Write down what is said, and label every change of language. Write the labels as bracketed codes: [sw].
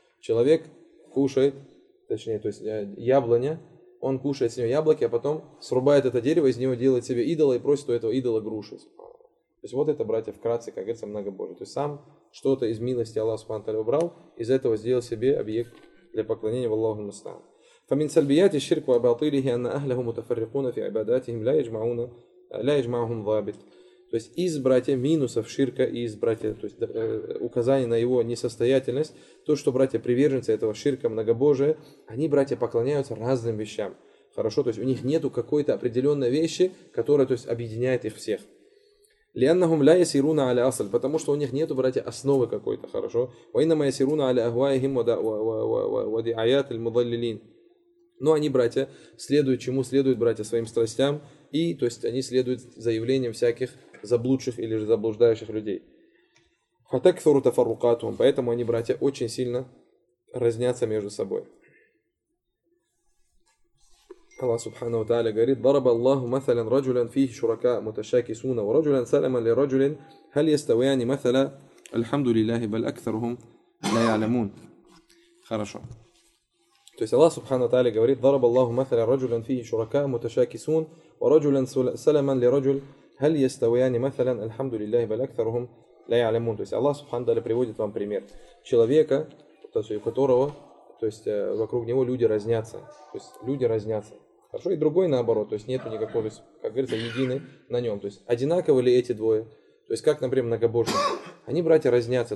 [ru] Человек кушает, точнее, то есть яблоня, он кушает с него яблоки, а потом срубает это дерево, из него делает себе идола и просит у этого идола груши. То есть вот это, братья, вкратце, как говорится, многобожие. То есть сам что-то из милости Аллаха субхана ва тааля убрал, из этого сделал себе объект для поклонения в Аллаху мустан. [ar] فمن سلبيات الشرك وباطله أن أهله متفرقون في عباداتهم لا يجمعون لا يجمعهم ضابط. [ru] То есть из братья минусов ширка и из братья, то есть указание на его несостоятельность, то, что братья приверженцы этого ширка многобожия, они, братья, поклоняются разным вещам. Хорошо, то есть у них нету какой-то определенной вещи, которая, то есть, объединяет их всех. [ar] لأنهم لا يسيرون على أصل, [ru] потому что у них нету, братья, основы какой-то, хорошо. [ar] وإنما يسيرون على أهوائهم ودعايات المضللين. [ru] Но они, братья, следуют чему? Следуют, братья, своим страстям, и, то есть, они следуют заявлениям всяких заблудших или же заблуждающих людей. [ar] فَتَكْثُرُ تَفَرُّقَاتُهُمْ, [ru] поэтому они, братья, очень сильно разнятся между собой. [ar] Аллах Субхана ва Тааля говорит: ضَرَبَ اللَّهُ مَثَلًا رَجُلًا فِيهِ شُرَكَاءُ مُتَشَاكِسُونَ وَرَجُلًا سَلَمًا لِرَجُلٍ هَلْ يَسْتَوِيَانِ مَثَلًا الْحَمْدُ لِلَّهِ بَلْ أَكْثَرُهُمْ لَا يَعْلَمُونَ. [ru] Хорошо. [ar] То есть Аллах Субхана ва Тааля говорит: ضَرَبَ اللَّهُ مَثَلًا رَجُلًا فِيهِ شُرَكَاءُ مُتَشَاكِسُونَ وَرَجُلًا سَلَمًا لِرَجُلٍ هَلْ يَسْتَوِيَانِ مَثَلًا الْحَمْدُ لِلَّهِ بَلْ أَكْثَرُهُمْ لَا يَعْلَمُونَ. [ru] То есть Аллах Субхана ва Тааля приводит вам пример человека, то есть у которого, то есть вокруг него люди разнятся. То есть люди разнятся. Хорошо, и другой наоборот, то есть нету никакого, то есть, как говорится, едины на нем. То есть одинаковы ли эти двое? То есть как, например, многобожник? Они, братья, разнятся.